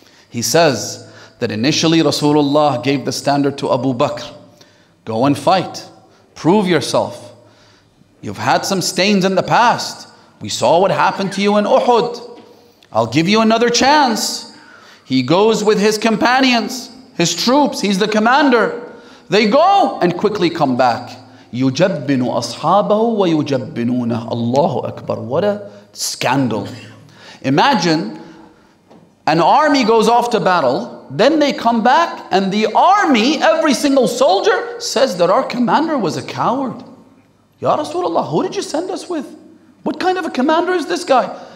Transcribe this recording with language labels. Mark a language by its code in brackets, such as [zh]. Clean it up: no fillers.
[en] He says that initially Rasulullah gave the standard to Abu Bakr. Go and fight. Prove yourself. You've had some stains in the past. We saw what happened to you in Uhud. I'll give you another chance. He goes with his companions, his troops. He's the commander. They go and quickly come back. [ar] يُجَبِّنُ أَصْحَابَهُ وَيُجَبِّنُونَهُ Allahu Akbar. [en] What a scandal. Imagine an army goes off to battle, then they come back and the army, every single soldier, says that our commander was a coward. Ya Rasulullah, who did you send us with? What kind of a commander is this guy?